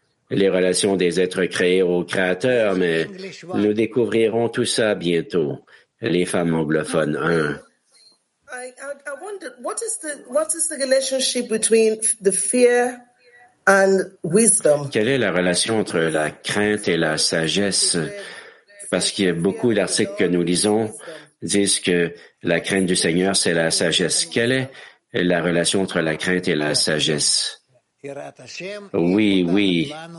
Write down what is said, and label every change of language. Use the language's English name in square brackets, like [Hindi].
[French] les relations des êtres créés au Créateur, mais nous découvrirons tout ça bientôt. Les femmes anglophones, hein. [English] I wonder what is the relationship between the fear and wisdom? [French] Quelle est la relation entre la crainte et la sagesse? Parce que beaucoup d'articles que nous lisons disent que la crainte du Seigneur, c'est la sagesse. Quelle est la relation entre la crainte et la sagesse? Oui, oui.